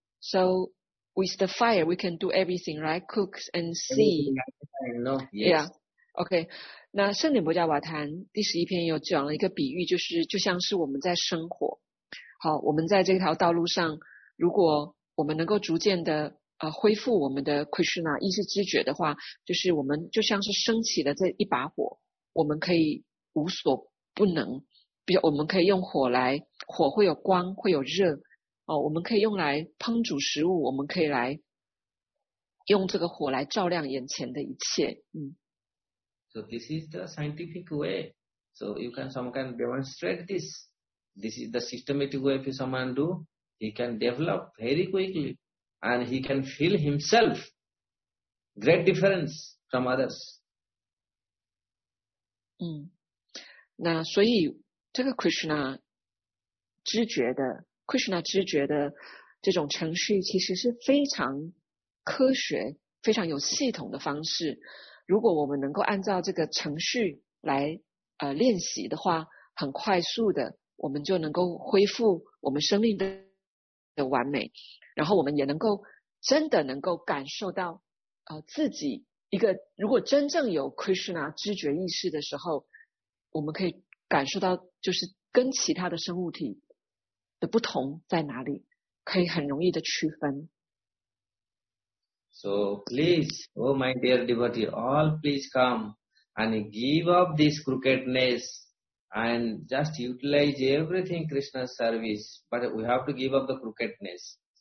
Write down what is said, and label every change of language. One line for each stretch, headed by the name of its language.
English: So with the fire we can do everything, right? Cook and see. No, yes. Yeah. Okay.
Chinese: 那圣典波迦瓦坛第十一篇有讲了一个比喻，就是就像是我们在生活。好，我们在这条道路上，如果我们能够逐渐的恢复我们的 Krishna 意识知觉的话，就是我们就像是升起了这一把火，我们可以无所不能。比如我们可以用火来，火会有光，会有热，我们可以用来烹煮食物，我们可以来用这个火来照亮眼前的一切。
English: So this is the scientific way. So you can some can demonstrate this. This is the systematic way if someone do, he can develop very quickly. And he can feel himself great difference from others.
Chinese: 那所以这个 Krishna 知觉的 Krishna 知觉的这种程序其实是非常科学非常有系统的方式，如果我们能够按照这个程序来练习的话，很快速的我们就能够恢复我们生命的完美，然后我们也能够真的能够感受到自己一个，如果真正有 Krishna 知觉意识的时候，我们可以感受到就是跟其他的生物体的不同在哪里，可以很容易的区分。
English: So please, oh my dear devotee, all please come and give up this crookedness and just utilize everything Krishna's service. But we have to give up the crookedness.